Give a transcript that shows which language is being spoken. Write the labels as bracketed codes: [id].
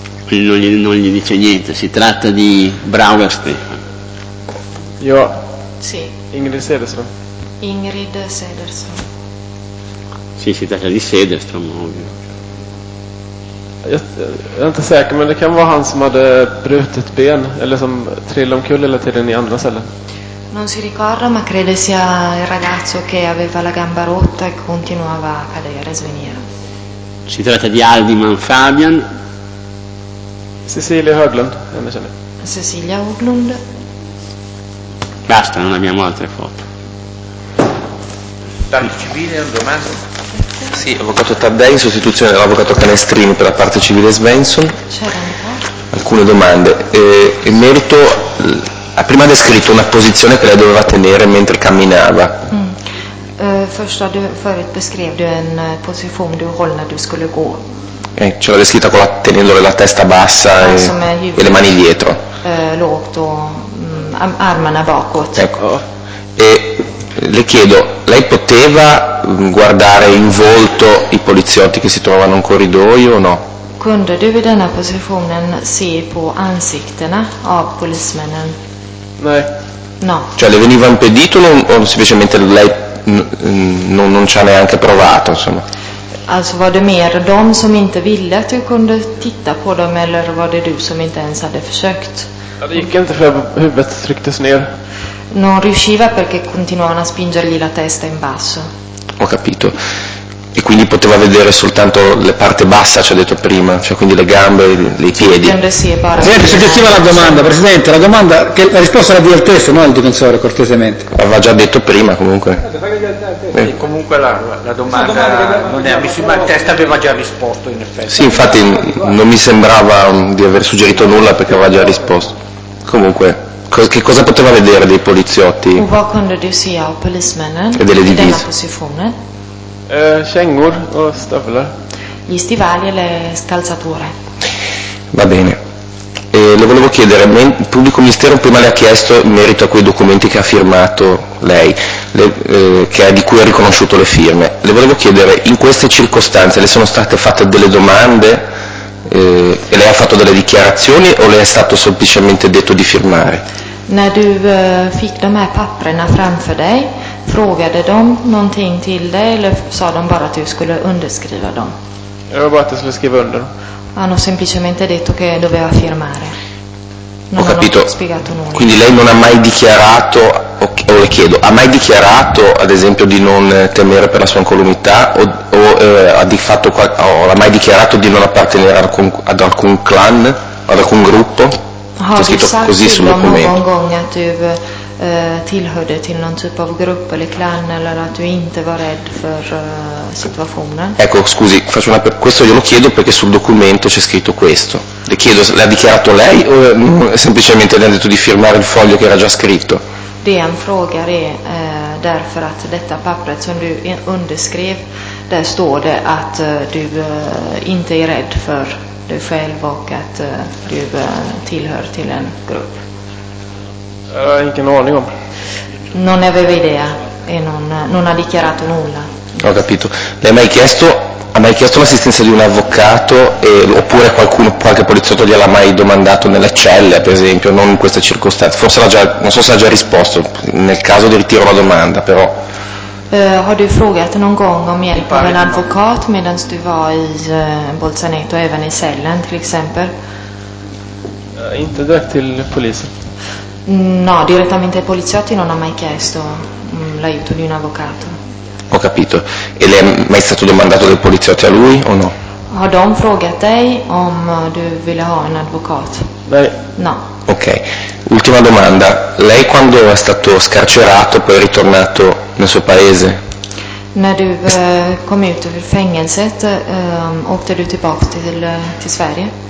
[it] Non gli dice niente, si tratta di Brauer Stefan. Io. Sì. Ingrid Sederström. Ingrid Sederström. Sì, si tratta di Sederström, ovvio. [sv] Jag är inte säker, men det kan vara han som hade brutit ben eller som trillade omkull hela tiden i andra cellen. [it] Non si ricorda, ma crede sia il ragazzo che aveva la gamba rotta e continuava a cadere, a svenire. Si tratta di Aldiman Fabian. Cecilia Höglund, invece. Cecilia Höglund. Basta, non abbiamo altre foto. Dal civile un domanda. Sì, avvocato Taddei in sostituzione dell'avvocato Canestrini per la parte civile Svensson. Alcune domande. In merito, ha prima descritto una posizione che lei doveva tenere mentre camminava. [sv] Första du förut beskrev du en position du höll när du skulle gå. [it] Ce l'ha descritta con la tenendo la testa bassa e le mani dietro. [sv] Lotto. Armana bakåt. [it] Ecco. E le chiedo, lei poteva guardare in volto i poliziotti che si trovavano in corridoio o no? [sv] Kunde du vid denna positionen se på ansiktena av polismännen? Nej. [it] No. Cioè le veniva impedito o semplicemente lei non ci ha neanche provato, insomma? [sv] Alltså var det mer de som inte ville att du kunde titta på dem eller var det du som inte ens hade försökt? Ja, det gick inte för huvudet trycktes ner. [it] Non riusciva perché continuavano a spingergli la testa in basso. Ho capito. E quindi poteva vedere soltanto la parte bassa, ci ha detto prima, cioè quindi le gambe, i piedi. Presidente, suggestiva la domanda, presidente, la domanda che la risposta la dia il testo, non il difensore, cortesemente. Aveva già detto prima, comunque. E comunque la domanda non è ammissibile, ma il test aveva già risposto in effetti. Sì, infatti non mi sembrava di aver suggerito nulla perché aveva già risposto. Comunque, che cosa poteva vedere dei poliziotti? E delle divise. [sv] Kängor och stövlar. [it] Gli stivali e le scalzature. Va bene. Le volevo chiedere, il pubblico ministero prima le ha chiesto in merito a quei documenti che ha firmato lei, di cui ha riconosciuto le firme. Le volevo chiedere, in queste circostanze le sono state fatte delle domande e lei ha fatto delle dichiarazioni o le è stato semplicemente detto di firmare? [sv] När du fick de här papprena framför dig, frågade de någonting till dig eller sa de bara att du skulle underskriva dem? Jag var bara att jag skulle skriva under dem. [it] Hanno semplicemente detto che doveva firmare. Ho capito. Quindi lei non ha mai dichiarato, o le chiedo, ha mai dichiarato ad esempio di non temere per la sua incolumità ha mai dichiarato di non appartenere ad alcun clan, ad alcun gruppo? [sv] Har du sagt till dem någon gång att du tillhörde till någon typ av grupp eller klan eller att du inte var rädd för situationen. [it] Ecco, scusi, faccio una questo glielo chiedo perché sul documento c'è scritto questo. Le chiedo, l'ha dichiarato lei o semplicemente le ha detto di firmare il foglio che era già scritto? [sv] Det är en fråga det, därför att detta pappret som du underskrev, där står det att du inte är rädd för dig själv och att du tillhör till en grupp. Jag har ingen aning om. [it] Non aveva idea e non ha dichiarato nulla. Ho capito. L'hai mai chiesto, ha mai chiesto l'assistenza di un avvocato oppure qualcuno, qualche poliziotto gliel'ha mai domandato nelle celle, per esempio, non in questa circostanza? Forse l'ha già, non so se ha già risposto, nel caso di ritiro la domanda, però. [sv] Har du frågat någon gång om hjälp av en advokat medan du var i Bolzaneto, även i cellen till exempel? Inte direkt till polisen. [it] No, direttamente ai poliziotti non ha mai chiesto l'aiuto di un avvocato. Ho capito. E le è mai stato domandato dal poliziotto a lui o no? [sv] Har de frågat dig om du ville ha en advokat? Nej. [it] No. Ok. Ultima domanda. Lei quando è stato scarcerato poi è ritornato nel suo paese? [sv] När du kom ut ur fängelset åkte du tillbaka till Sverige?